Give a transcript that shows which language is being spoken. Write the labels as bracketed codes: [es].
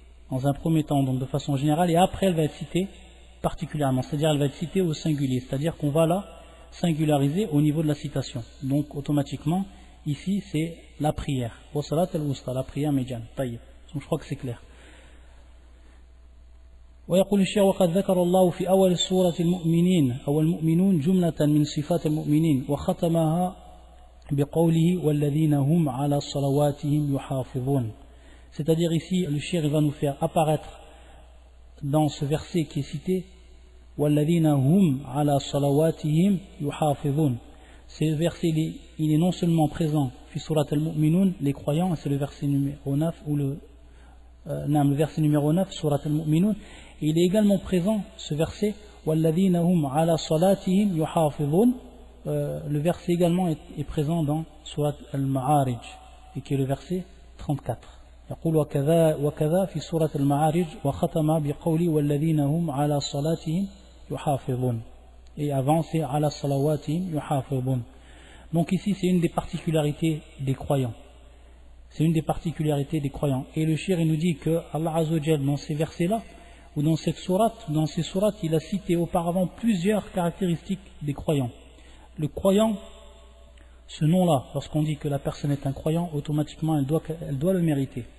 [fr] dans un premier temps, donc de façon générale, et après elle va être citée particulièrement, c'est-à-dire elle va être citée au singulier, c'est-à-dire qu'on va la singulariser au niveau de la citation. Donc automatiquement, ici c'est la prière, wasalat al-wusta, la prière médiane, taïb. Donc je crois que c'est clair. [ar] ويقول الشيخ وقد ذكر الله في أول سورة المؤمنين أو المؤمنون جملة من صفات المؤمنين وختمها بقوله والذين هم على صلواتهم يحافظون. [fr] C'est-à-dire ici, le shir va nous faire apparaître dans ce verset qui est cité, [ar] وَالَّذِينَ هُمْ عَلَى صَلَوَاتِهِمْ يُحَافِظُونَ. [fr] Ce verset, il est non seulement présent fi surat al-mu'minun, les croyants, c'est le verset numéro 9, le verset numéro 9, surat al-mu'minun, et il est également présent, ce verset, [ar] وَالَّذِينَ هُمْ عَلَى صَلَاتِهِمْ يُحَافِظُونَ, [fr] le verset également est présent dans surat al-ma'arij, et qui est le verset 34. [ar] يقول وكذا وكذا في سورة المعارج وختم بقولي والذين هم على صلاتهم يحافظون [fr] et avancer [ar] على صلواتهم يحافظون. [fr] Donc ici c'est une des particularités des croyants, c'est une des particularités des croyants, et le shir il nous dit que Allah Azza wa Jal dans ces versets là ou dans cette sourate, dans ces sourates, il a cité auparavant plusieurs caractéristiques des croyants. Le croyant, ce nom-là, lorsqu'on dit que la personne est un croyant, automatiquement elle doit le mériter.